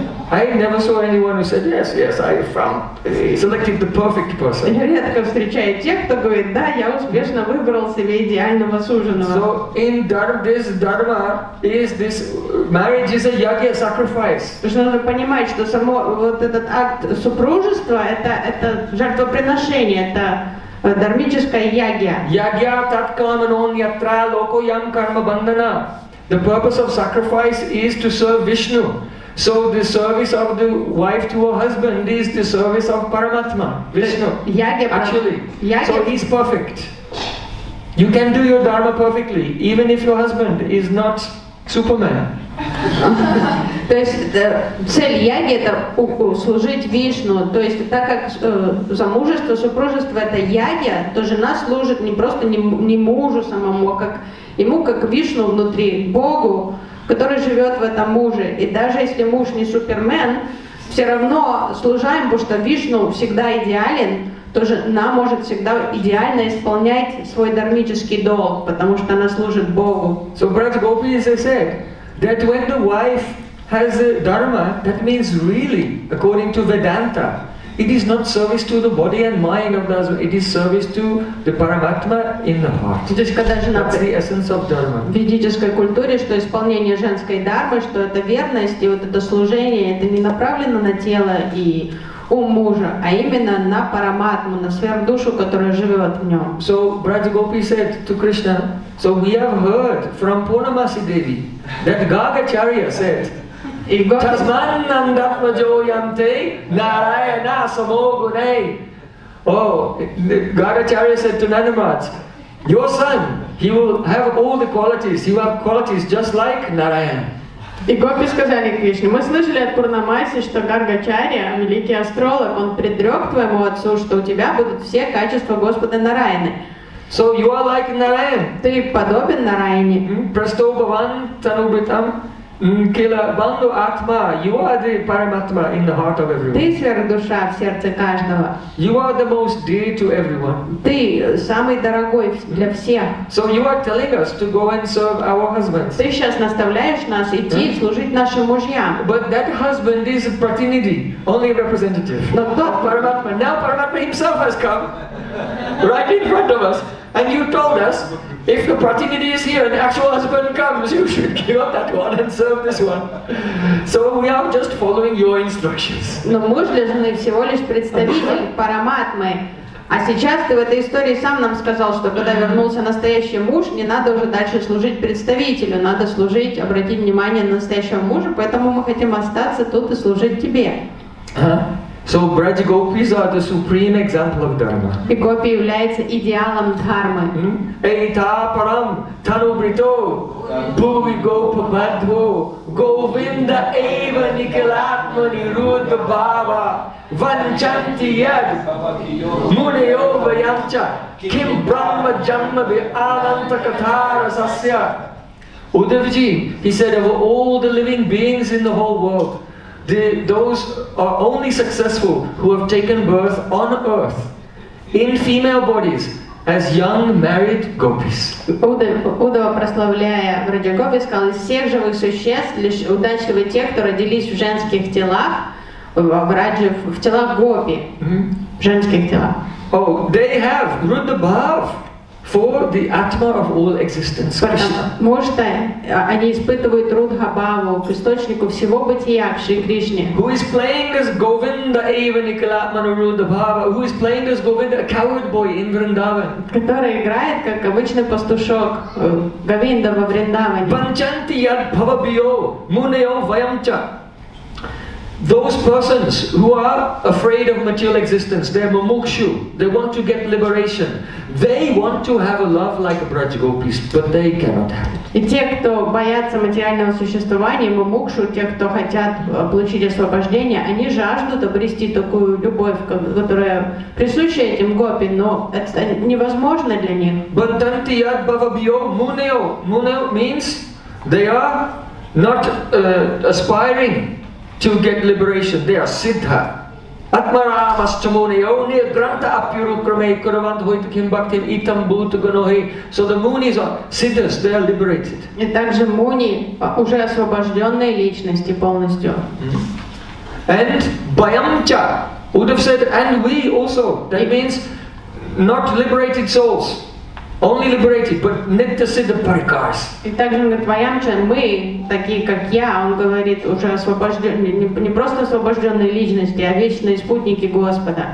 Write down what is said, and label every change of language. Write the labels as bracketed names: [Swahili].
[English] I never saw anyone who said yes, yes, I found selected the perfect person. [Russian] Я редко встречаю тех, кто говорит, да, я успешно выбрал себе идеального суженого. [English] So in dharma is this marriage is a yagya sacrifice. [Russian] То есть надо понимать, что само вот этот акт супружества это жертвоприношение, это дармическая ягья. [Sanskrit] Ягья таткаманон ятра локо ям карма бандана. [English] The purpose of sacrifice is to serve Vishnu. So the service of the wife to her husband is the service of Paramatma, Vishnu. [Sanskrit] Ягья. [English] Actually, ягья. So he's perfect. You can do your dharma perfectly, even if your husband is not Superman. [Russian] То есть цель яги это служить Вишну. То есть так как замужество, супружество это ягья, то жена служит не просто не мужу самому, а как ему как Вишну внутри, Богу, который живет в этом муже. И даже если муж не Супермен, все равно служаем, потому что Вишну всегда идеален, то жена может всегда идеально исполнять свой дармический долг, потому что она служит Богу. [English] So Brat Gopi is said that when the wife has a dharma, that means really, according to Vedanta, it is not service to the body and mind of the husband, it is service to the Paramatma in the heart. [Russian] То есть, когда жена, [English] that's the essence of dharma. [Russian] В ведической культуре, что исполнение женской дармы, что это верность и вот это служение, это не направлено на тело и ум мужа, а именно на Параматму, на сверхдушу, которая живет в нем. [English] So, Brata Gopi said to Krishna, so we have heard from Purnamasi Devi that Gagacharya said, [Sanskrit] Tasmannandatmajoyante Narayana Samogune. [English] Oh, Gagacharya said to Nandamaraj, your son, he will have all the qualities, he will have qualities just like Narayana. [Russian] И гопи сказали Кришне, мы слышали от Пурнамаси, что Гаргачарья, великий астролог, он предрек твоему отцу, что у тебя будут все качества Господа Нараяны. [English] So you are like Narayana. [Russian] Ты подобен Нараяне. [Sanskrit] Prastobhavan Tanubhritam Kila bandhu atma, [English] you are the paramatma in the heart of everyone. [Russian] Ты сверхдуша в сердце каждого. [English] You are the most dear to everyone. [Russian] Ты самый дорогой для всех. [English] So you are telling us to go and serve our husbands. [Russian] Ты сейчас наставляешь нас идти служить нашим мужьям. [English] But that husband is a pratinidhi, only representative. [Russian] Но тот [English] Paramatma, now Paramatma himself has come right in front of us. And you told us, if the pratinidhi is here and the actual husband comes, you should give up that one and serve this one. So we are just following your instructions. [Russian] Но муж лишь всего лишь представитель параматмы. А сейчас ты в этой истории сам нам сказал, что когда вернулся настоящий муж, не надо уже дальше служить представителю, надо служить, обратить внимание на настоящего мужа, поэтому мы хотим остаться тут и служить тебе. [English] So Braj Gopis are the supreme example of Dharma. [Russian] И гопи являются идеалом дхармы. [Sanskrit] Эйта парам танубрито бхуви гопа мадхво говинда эйва никилатмани рудра бхава ванчанти яд мунайо ваянча ким брахма джанма вианта катхара сасья. [English] Удавджи, he said, of all the living beings in the whole world, those are only successful who have taken birth on earth in female bodies as young married gopis. [Russian] Удава, прославляя Враджагопи, сказал, из всех живых существ лишь удачливы те, кто родились в женских телах, в телах гопи, в женских телах. [English] Oh, they have rudra bhav for the atma of all existence. [Russian] Потому что они испытывают рудха бхаву к источнику всего бытия, к Шри Кришне. [English] Who is playing as Govinda [Sanskrit] Eva Nikalatmana Rudra Bhava? [English] Who is playing as Govinda, a coward boy in Vrindavan? [Russian] Который играет как обычный пастушок Говинда во Вриндаване. [Sanskrit] Панчанти яд бхавабио мунайо ваямча. [English] Those persons who are afraid of material existence, they are mumukshu, they want to get liberation, they want to have a love like a Braj Gopis, but they cannot have it. [Russian] И те, кто боятся материального существования, мумукшу, те, кто хотят получить освобождение, они жаждут обрести такую любовь, которая присуща этим гопи, но это невозможно для них. [Sanskrit] Бантанти яд бхавабьо мунео. [English] Мунео means they are not aspiring to get liberation. They are siddha. [Sanskrit] Atmaramastamuniyo nirgranta apyurukrame kuravant hoita kim bhaktim itam bhutaganohi. [English] So the munis are siddhas, they are liberated. [Russian] И также муни уже освобожденные личности полностью. [English] And bayamcha, Uddhav said, and we also. That means not liberated souls. Only liberated, but nitya siddha parikars. [Russian] И также он говорит, ваямча, мы, такие как я, он говорит, уже освобожденные, не просто освобожденные личности, а вечные спутники Господа.